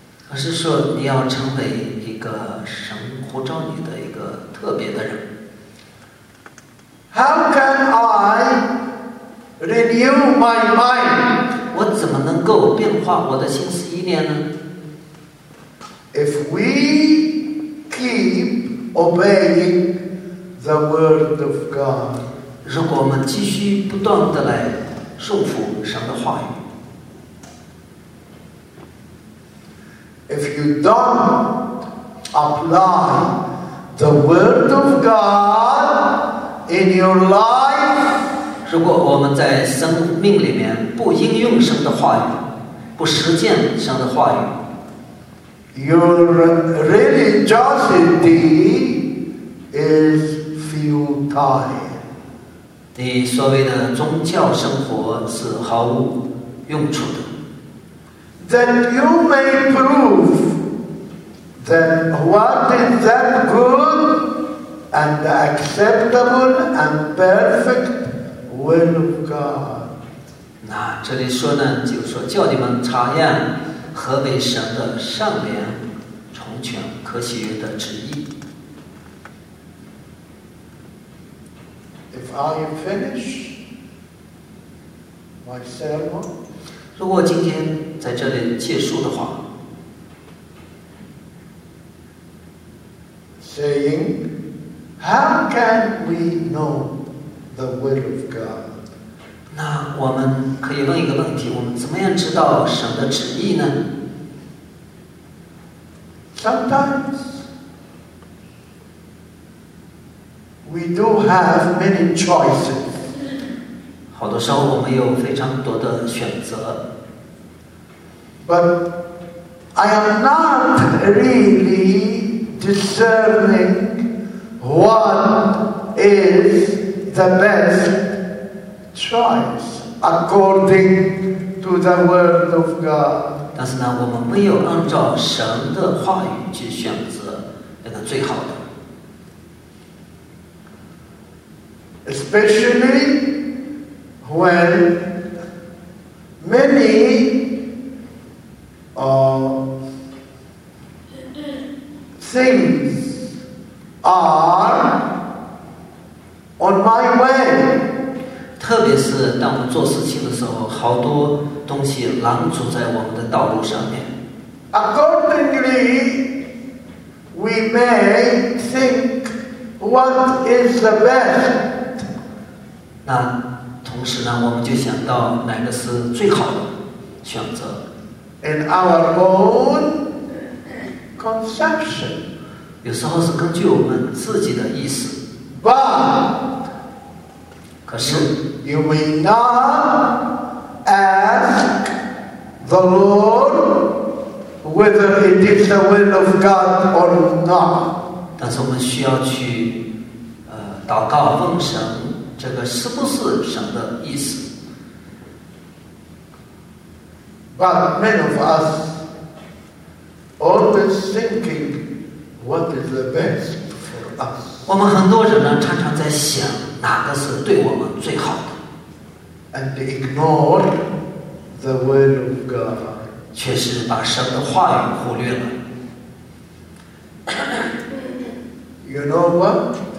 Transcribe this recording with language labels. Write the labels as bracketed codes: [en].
[zh] 而是说你要成为一个神呼召你的一个特别的人。 [en] How can I renew my mind? [zh] 我怎么能够变化我的心思意念呢？ [en] If we keep obeying the word of God. [zh] 如果我们继续不断地来顺服神的话语。 [en] If you don't apply the word of God in your life, [zh] 如果我们在生命里面不应用神的话语，不实践神的话语， [en] your religiosity is futile. [zh] 你所谓的宗教生活是毫无用处的。 [en] Then you may prove that what is that good and acceptable and perfect will of God. [zh] 那这里说呢，就是说叫你们查验何为神的善良、成全、可喜悦的旨意。 [en] If I finish my sermon, [zh] 如果今天在这里结束的话 [en] ，saying, how can we know the will of God? [zh] 那我们可以问一个问题：我们怎么样知道神的旨意呢 [en] ？Sometimes. We do have many choices. [zh] 好多时候我们有非常多的选择。 [en] But I am not really discerning what is the best choice according to the word of God. [zh] 但是呢，我们没有按照神的话语去选择那个最好的。 [en] Especially when many things are on my way. [zh] 特别是当我们做事情的时候，好多东西拦阻在我们的道路上面。 [en] Accordingly, we may think what is the best. [zh] 那同时呢，我们就想到哪个是最好的选择。 [en] In our own conception, [zh] 有时候是根据我们自己的意思。 [en] But, [zh] 可是 [en] you may not ask the Lord whether it is the will of God or not. [zh] 但是我们需要去祷告奉神。这个是不是神的意思 [en] ？But many of us always thinking what is the best for us. [zh] 我们很多人呢，常常在想哪个是对我们最好的 [en] ，and ignore the word of God. [zh] 确实把神的话语忽略了。 [en] You know what?